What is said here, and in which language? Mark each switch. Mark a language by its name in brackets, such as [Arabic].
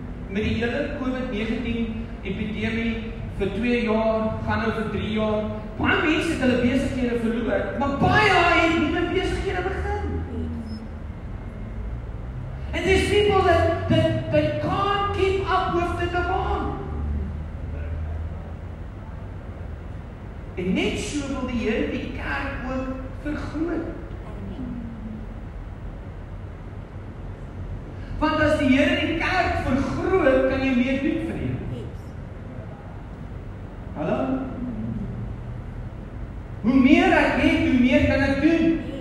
[Afrikaans] Met die hele COVID-19 epidemie, vir 2 jaar, gaan nou vir 3 jaar, baie mense het hulle besighede verloor, maar baie het nie met besighede begin. [English] And there's people that can't keep up with the demand. [Afrikaans] En net so wil die Heer die kerk ook vergroot. Want as die Heer die kerk vergroot, kan jy meer doen vir die Heer. Hallo? Hoe meer ek het, hoe meer kan ek doen.